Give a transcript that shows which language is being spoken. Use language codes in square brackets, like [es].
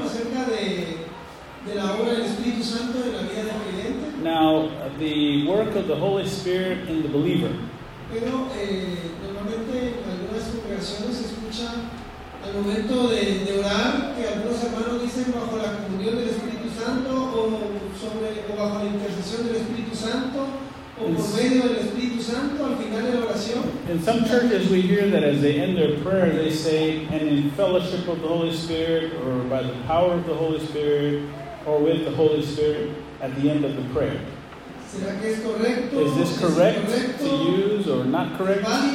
[es] Acerca de la obra del Espíritu Santo en la vida del creyente. [en] Now, the work of the Holy Spirit in the believer. [es] Pero normalmente en algunas congregaciones se escucha al momento de orar, que algunos hermanos dicen bajo la comunión del Espíritu Santo o bajo la intercesión del Espíritu Santo o por medio del Espíritu Santo al final de la oración. [en] In some churches we hear that as they end their prayer they say and in fellowship of the Holy Spirit or by the power of the Holy Spirit or with the Holy Spirit at the end of the prayer. [es] ¿Será que es correcto? [en] Is this correct to use or not correct?